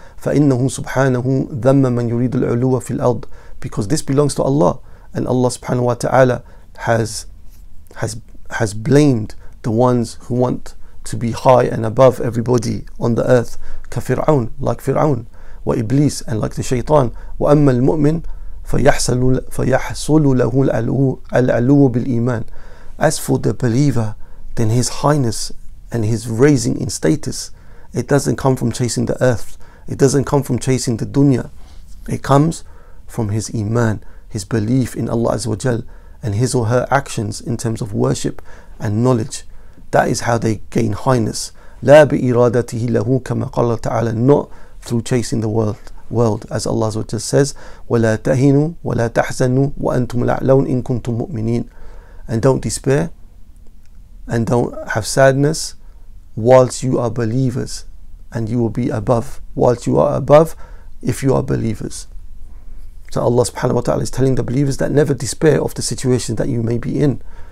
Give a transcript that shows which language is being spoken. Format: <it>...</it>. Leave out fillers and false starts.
<ar>فإنه سبحانه ذم من يريد العلو في الأرض,</ar> <en>because this belongs to Allah, and Allah subhanahu wa ta'ala has blamed the ones who want to be high and above everybody on the earth, كفرعون, like فرعون, وإبليس, and like the شيطان.</en> <ar>وأما المؤمن فيحصل له العلو بالإيمان,</ar> <en>as for the believer, then His Highness and His raising in status, it doesn't come from chasing the earth, it doesn't come from chasing the dunya, it comes from His Iman, His belief in Allah Azza wa Jal, and his or her actions in terms of worship and knowledge. That is how they gain highness.</en> <ar>لا بإرادته له كما قال تعالى,</ar> <en>not through chasing the world, as Allah Azza wa Jal says,</en> <ar>ولا تهنوا ولا تحزنوا وأنتم الأعلون إن كنتم مؤمنين.</ar> <en>And don't despair and don't have sadness whilst you are believers, and you will be above whilst you are above if you are believers. So Allah subhanahu wa ta'ala is telling the believers that never despair of the situation that you may be in.</en>